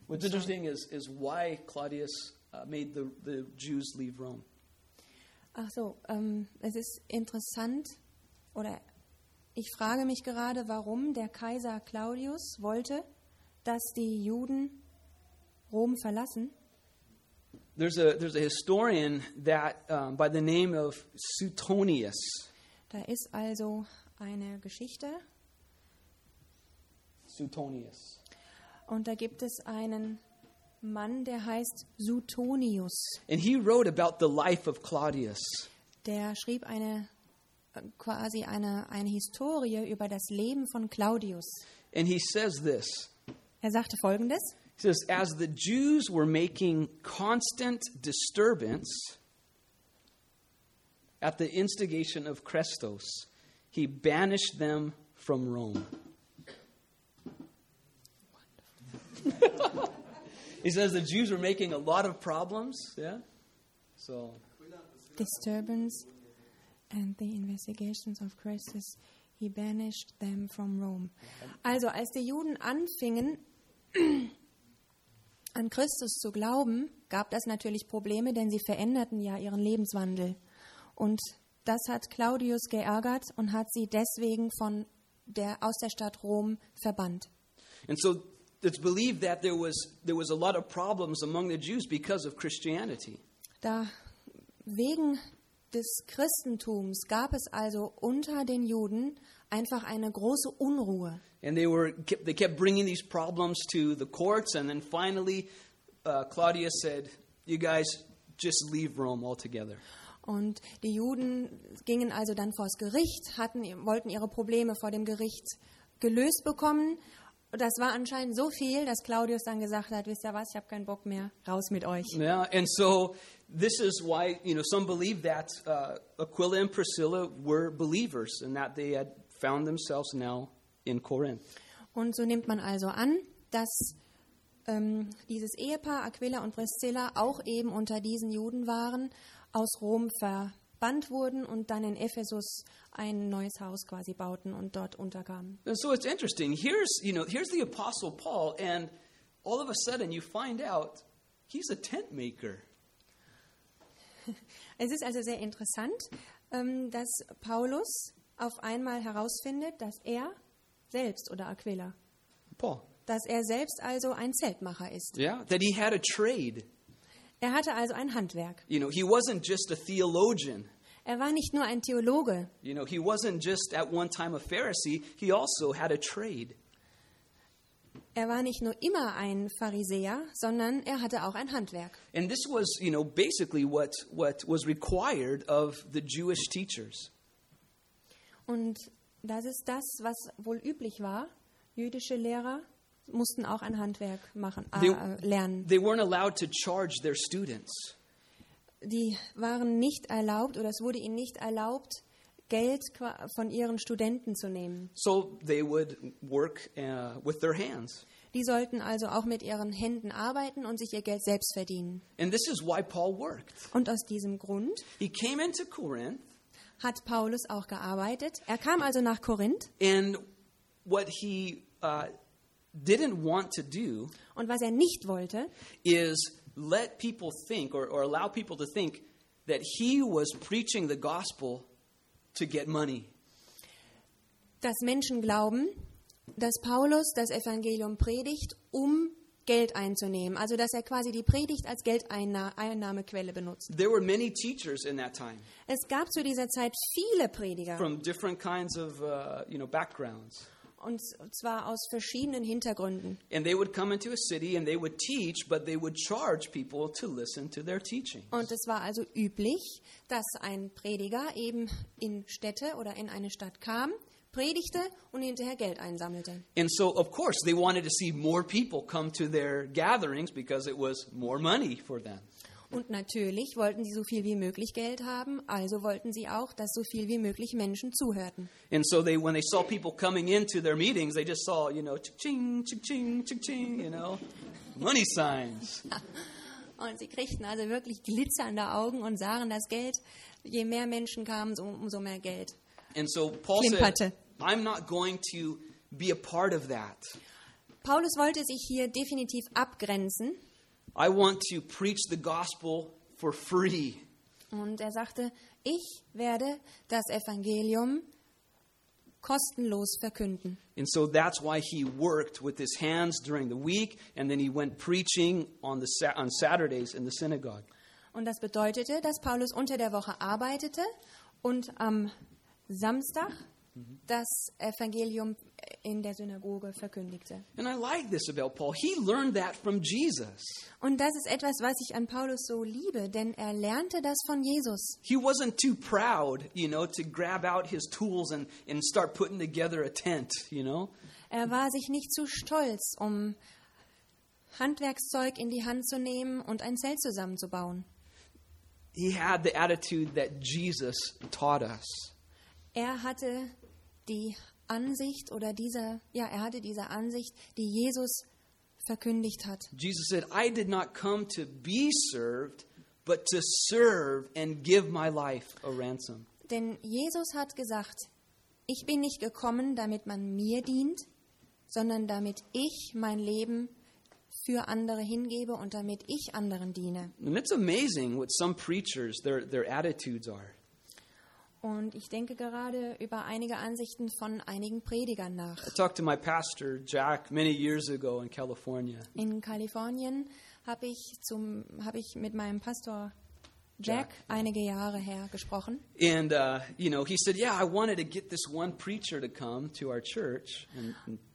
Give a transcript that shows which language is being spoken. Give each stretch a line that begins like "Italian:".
English: What's interesting is why Claudius made the Jews leave Rome.
German: Ach so, es ist interessant, oder ich frage mich gerade, warum der Kaiser Claudius wollte, dass die Juden Rom verlassen.
English: There's a historian that by the name of Suetonius.
German: Da ist also eine Geschichte.
English: Suetonius.
German: Und da gibt es einen Mann, der heißt Suetonius.
English: And he wrote about the life of Claudius.
German: Der schrieb eine Historie über das Leben von Claudius.
English: And he says this.
German: Er sagte Folgendes.
English: He says, as the Jews were making constant disturbance at the instigation of Crestos, he banished them from Rome. He says the Jews were making a lot of problems. Yeah. So. Disturbance and the instigations of Crestos, he banished them from Rome.
German: Also, als die Juden anfingen, an Christus zu glauben, gab das natürlich Probleme, denn sie veränderten ja ihren Lebenswandel. Und das hat Claudius geärgert und hat sie deswegen aus der Stadt Rom verbannt.
English: And so it's believed that there was a lot of problems among the Jews because of Christianity.
German: Da wegen des Christentums gab es also unter den Juden einfach eine große Unruhe.
English: And they kept bringing these problems to the courts, and then finally Claudius said, you guys just leave Rome altogether.
German: Und die Juden gingen also dann vors Gericht, wollten ihre Probleme vor dem Gericht gelöst bekommen. Das war anscheinend so viel, dass Claudius dann gesagt hat, wisst ihr was, ich habe keinen Bock mehr, raus mit euch.
English: Ja, yeah, and so this is why, you know, some believe that Aquila and Priscilla were believers and that they had found themselves now in Corinth.
German: Und so nimmt man also an, dass dieses Ehepaar Aquila und Priscilla auch eben unter diesen Juden waren, aus Rom verbannt wurden und dann in Ephesus ein neues Haus quasi bauten und dort unterkamen.
English: And so it's interesting. Here's, you know, here's the Apostle Paul, and all of a sudden you find out he's a tent maker.
German: Es ist also sehr interessant, dass Paulus auf einmal herausfindet, dass er selbst oder Aquila,
English: Paul,
German: dass er selbst also ein Zeltmacher ist.
English: Yeah, that he had a trade.
German: Er hatte also ein Handwerk.
English: You know, he wasn't just a theologian.
German: Er war nicht nur ein Theologe.
English: You know, he wasn't just at one time a Pharisee. He also had a trade.
German: Er war nicht nur immer ein Pharisäer, sondern er hatte auch ein Handwerk.
English: And this was, you know, basically what was required of the Jewish teachers.
German: Und das ist das, was wohl üblich war. Jüdische Lehrer mussten auch ein Handwerk machen, lernen.
English: They weren't allowed to charge their students.
German: Die waren nicht erlaubt, oder es wurde ihnen nicht erlaubt, Geld von ihren Studenten zu nehmen.
English: So they would work with their hands.
German: Die sollten also auch mit ihren Händen arbeiten und sich ihr Geld selbst verdienen.
English: And this is why Paul worked.
German: Und aus diesem Grund,
English: he came into Corinth,
German: hat Paulus auch gearbeitet. Er kam also nach Korinth.
English: And what he didn't want to do,
German: und was er nicht wollte,
English: is let people think or allow people to think that he was preaching the gospel to get money.
German: Dass Menschen glauben, dass Paulus das Evangelium predigt, um Geld einzunehmen, also dass er quasi die Predigt als Geldeinnahmequelle benutzt.
English: There were many teachers in that time.
German: Es gab zu dieser Zeit viele Prediger.
English: From different kinds of, you know, backgrounds.
German: Und zwar aus verschiedenen Hintergründen.
English: And they would come into a city and they would teach, but they would charge people to listen to their teachings.
German: Und es war also üblich, dass ein Prediger eben in Städte oder in eine Stadt kam, predigte und hinterher Geld einsammelte.
English: And so of course they wanted to see more people come to their gatherings because it was more money for them.
German: Und natürlich wollten sie so viel wie möglich Geld haben, also wollten sie auch, dass so viel wie möglich Menschen zuhörten.
English: And so they, when they saw people coming into their meetings, they just saw, you know, ching ching ching ching, you know, money signs.
German: Und sie kriegten also wirklich glitzernde Augen und sahen das Geld, je mehr Menschen kamen, umso mehr Geld.
English: And so Paul
German: klimperte.
English: Said, I'm not going to be a part of that.
German: Paulus wollte sich hier definitiv abgrenzen.
English: I want to preach the gospel for free.
German: Und er sagte, ich werde das Evangelium kostenlos verkünden.
English: And so that's why he worked with his hands during the week and then he went preaching on Saturdays in the synagogue.
German: Und das bedeutete, dass Paulus unter der Woche arbeitete und am Samstag das Evangelium in der Synagoge verkündigte.
English: And I like this about Paul. He learned that from Jesus.
German: Und das ist etwas, was ich an Paulus so liebe, denn er lernte das von Jesus.
English: He wasn't too proud, you know, to grab out his tools and start putting together a tent, you know?
German: Er war sich nicht zu stolz, um Handwerkszeug in die Hand zu nehmen und ein Zelt zusammenzubauen.
English: He had the attitude that Jesus taught us.
German: Er hatte die Ansicht oder diese, ja, er hatte diese Ansicht, die Jesus verkündigt hat.
English: Jesus said, I did not come to be served, but to serve and give my life a ransom.
German: Denn Jesus hat gesagt, ich bin nicht gekommen, damit man mir dient, sondern damit ich mein Leben für andere hingebe und damit ich anderen diene.
English: And it's amazing what some preachers, their attitudes are.
German: Und ich denke gerade über einige Ansichten von einigen Predigern nach.
English: I talked to my pastor Jack many years ago in California.
German: In Kalifornien habe ich mit meinem Pastor Jack einige Jahre her gesprochen.
English: And you know, he said, yeah, I wanted to get this one preacher to come to our church and